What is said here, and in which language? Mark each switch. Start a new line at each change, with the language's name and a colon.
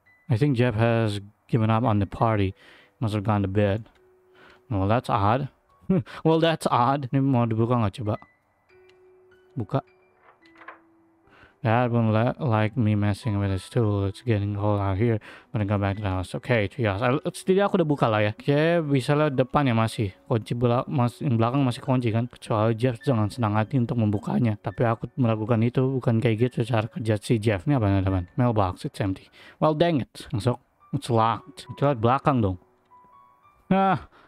English: I think Jeff has given up on the party. Must have gone to bed. Well, that's odd.
Indonesian: Ini mau dibuka nggak coba? Buka.
English: Dad won't like me messing with his tool. It's getting cold out here. I'm gonna go back to the house. Okay, trios.
Indonesian: Setidaknya aku udah buka lah ya. Oke, bisa lihat depan ya masih. Kunci belakang masih kunci kan. Kecuali Jeff jangan senang hati untuk membukanya. Tapi aku meragukan itu. Bukan kayak gitu cara kerja si Jeff. Ini apa teman-teman?
English: Mailbox, it's empty. Well, dang it.
Indonesian: Langsung.
English: It's locked.
Indonesian: Itu lihat belakang dong. Nah.